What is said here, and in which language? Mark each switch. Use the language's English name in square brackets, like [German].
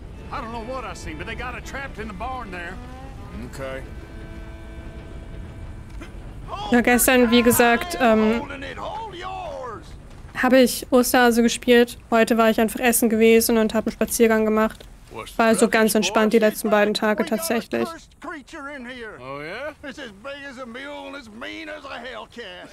[English] I don't know what I seen, but they got it trapped in the barn there. Okay. [German] Ja, gestern, wie gesagt, habe ich Osterhase gespielt. Heute war ich einfach essen gewesen und habe einen Spaziergang gemacht. War also ganz entspannt die letzten beiden Tage tatsächlich. Oh ja? [English] It's as big as a mule and as mean as a hellcat.